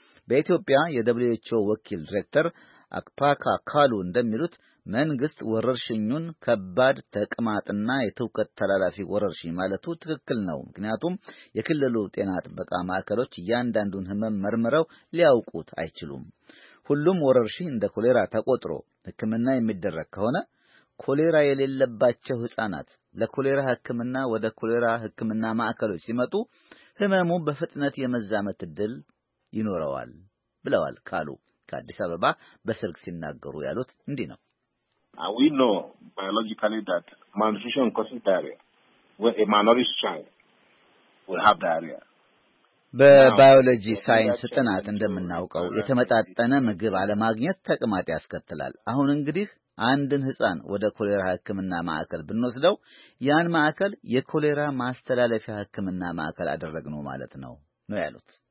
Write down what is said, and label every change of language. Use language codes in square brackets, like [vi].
[am] በኢትዮጵያ የWHO ወኪል ዳይሬክተር አክፓካ ካሉ እንደሚሉት መንግስት ወረርሽኙን ከባድ ተቅማጥና የተውከት ተላላፊ ወረርሽኝ ማለቱ ትክክል ነው፣ ምክንያቱም የክልሉ ጤና ጥበቃ ማዕከሎች እያንዳንዱን ህመም መርምረው ሊያውቁት አይችሉም። ሁሉም ወረርሽኝ እንደ ኮሌራ ተቆጥሮ ህክምና የሚደረግ ከሆነ ኮሌራ የሌለባቸው ህፃናት ለኮሌራ ህክምና ወደ ኮሌራ ህክምና ማዕከሎች ሲመጡ ህመሙ በፍጥነት የመዛመት እድል ይኖረዋል ብለዋል ካሉ። ከአዲስ አበባ በስልክ ሲናገሩ ያሉት እንዲህ ነው። [en] We know biologically that malnutrition causes diarrhea. When a malnourished child will have diarrhea. [am] በባዮሎጂ ሳይንስ ጥናት እንደምናውቀው የተመጣጠነ ምግብ አለማግኘት ተቅማጥ ያስከትላል። አሁን እንግዲህ አንድን ህፃን ወደ ኮሌራ ህክምና ማዕከል ብንወስደው ያን ማዕከል የኮሌራ ማስተላለፊያ ህክምና ማዕከል አደረግነው ማለት ነው ነው ያሉት።